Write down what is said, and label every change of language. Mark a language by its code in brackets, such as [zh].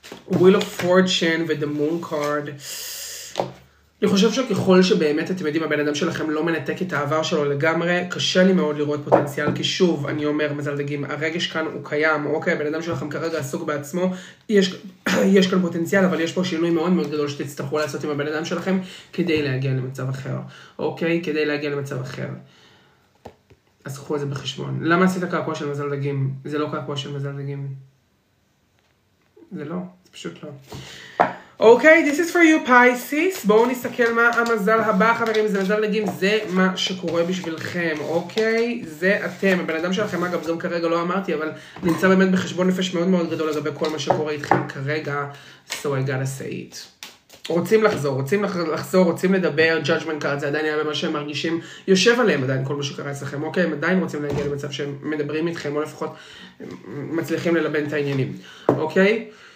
[en] Wheel of Fortune with the Moon card. [he] אני חושב שככל שבאמת אתם יודעים, הבן אדם שלכם לא מנתק את העבר שלו לגמרי, קשה לי מאוד לראות פוטנציאל, כי שוב, אני אומר, מזל דגים, הרגש כאן הוא קיים, אוקיי, הבן אדם שלכם כרגע עסוק בעצמו, יש כאן פוטנציאל, אבל יש פה שינוי מאוד מאוד גדול שתצטרכו לעשות עם הבן אדם שלכם כדי להגיע למצב אחר, אוקיי? כדי להגיע למצב אחר. אז קחו את זה בחשבון. למה עשית קעקוע של מזל דגים? זה לא קעקוע של מזל דגים. זה לא, זה פשוט לא. אוקיי, [en] this is for you, Pisces. [he] בואו נסתכל מה המזל הבא, חברים. זה מזל דגים, זה מה שקורה בשבילכם. אוקיי, זה אתם. הבן אדם שלכם, אגב, גם כרגע לא אמרתי, אבל נמצא באמת בחשבון נפש מאוד מאוד גדול לגבי כל מה שקורה איתכם כרגע. [en] So I gotta say it. [he] רוצים לחזור, רוצים לחזור, רוצים לדבר, judgment card, זה עדיין היה במה שהם מרגישים, יושב עליהם עדיין כל מה שקרה אצלכם, אוקיי, הם עדיין רוצים להגיע למצב שהם מדברים איתכם, או לפחות מצליחים ללבן את העניינים, אוקיי?